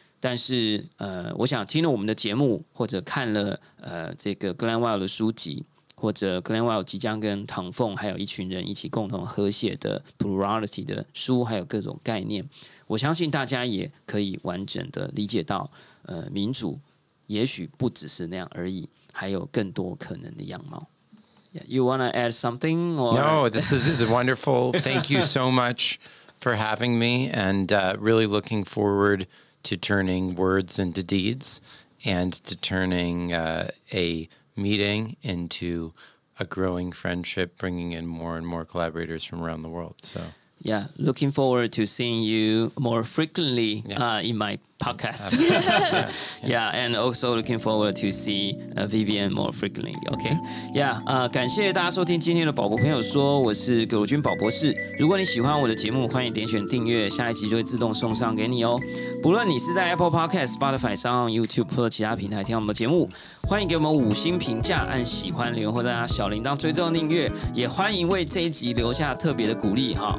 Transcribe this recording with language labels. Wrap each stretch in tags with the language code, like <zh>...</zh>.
<zh>但是我想听了我们的节目，或者看了这个 Glenn Wild 的书籍，或者 Glenn Wild 即将跟唐凤还有一群人一起共同合写的 Plurality 的书，还有各种概念，我相信大家也可以完整的理解到，民主也许不只是那样而已，还有更多可能的样貌。</zh> <en>You want to add something? No, this is wonderful. Thank you so much for having me, and really looking forward to turning words into deeds and to turning a meeting into a growing friendship, bringing in more and more collaborators from around the world. So, yeah, looking forward to seeing you more frequently in my podcast. Yeah, and also looking forward to see Vivian more frequently.</en> <zh>Okay, yeah, 感谢大家收听今天的宝博朋友说，我是葛如君宝博士。如果你喜欢我的节目，欢迎点选订阅，下一集就会自动送上给你哦。不论你是在 Apple Podcast、Spotify 上、YouTube 或者其他平台听到我们的节目，欢迎给我们五星评价，按喜欢留言或大家小铃铛追踪订阅，也欢迎为这一集留下特别的鼓励哈。</zh>